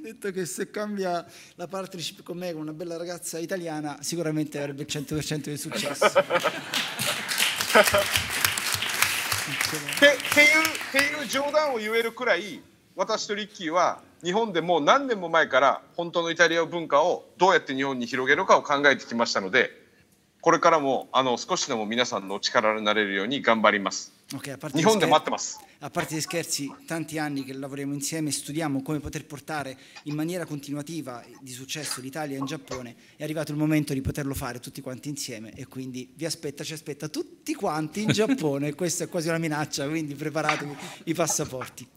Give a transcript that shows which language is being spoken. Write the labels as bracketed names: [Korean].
[Italian] Detto che se cambia la partnership con me con una bella ragazza italiana sicuramente avrebbe il 100% di successo. [Japanese] っていう冗談を言えるくらい私とリッキーは日本でもう何年も前から本当のイタリアの文化をどうやって日本に広げるかを考えてきましたので、これからも少しでも皆さんの力になれるように頑張ります。日本で待ってます。あ、 [Italian] parte di scherzi, tanti anni che lavoriamo insieme, studiamo come poter portare in maniera continuativa di successo l'Italia in Giappone. È arrivato il momento di poterlo fare tutti quanti insieme e quindi vi aspetta, ci aspetta tutti quanti in Giappone. Questa è quasi una minaccia, quindi preparatevi i passaporti.